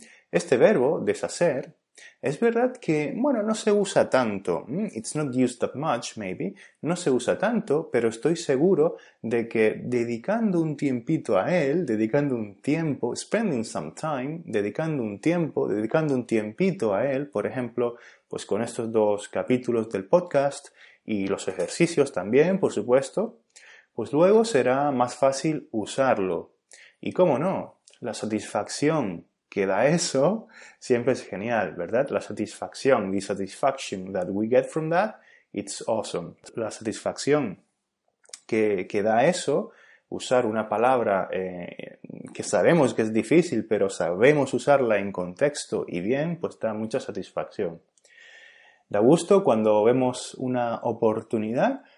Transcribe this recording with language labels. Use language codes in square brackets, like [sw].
[es] Este verbo, deshacer, es verdad que, bueno, no se usa tanto, [en] it's not used that much, [es] maybe, no se usa tanto, pero estoy seguro de que dedicando un tiempito a él, dedicando un tiempito a él, por ejemplo, pues con estos dos capítulos del podcast y los ejercicios también, por supuesto, pues luego será más fácil usarlo. Y cómo no, la satisfacción que da eso, siempre es genial, ¿verdad? La satisfacción, [en] the satisfaction that we get from that, it's awesome. [es] La satisfacción que da eso, usar una palabra que sabemos que es difícil, pero sabemos usarla en contexto y bien, pues da mucha satisfacción. Da gusto cuando vemos una oportunidad